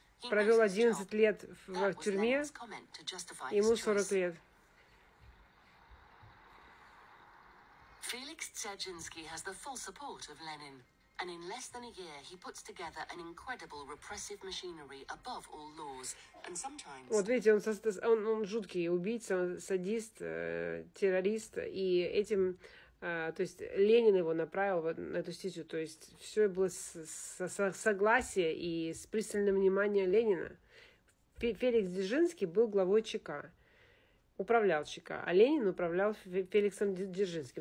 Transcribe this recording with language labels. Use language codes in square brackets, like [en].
[ru] Провел 11 лет в тюрьме, ему 40 лет. [en] Феликс Дзержинский has the full support of Lenin, and in less than a year he puts together an incredible repressive machinery above all laws. And sometimes. [ru] Вот видите, он жуткий убийца, он садист, террорист, и этим, то есть Ленин его направил на эту статью, то есть все было согласия и с пристальным вниманием Ленина. Феликс Дзержинский был главой ЧК. Управлял ЧК, а Ленин управлял Феликсом Дзержинским.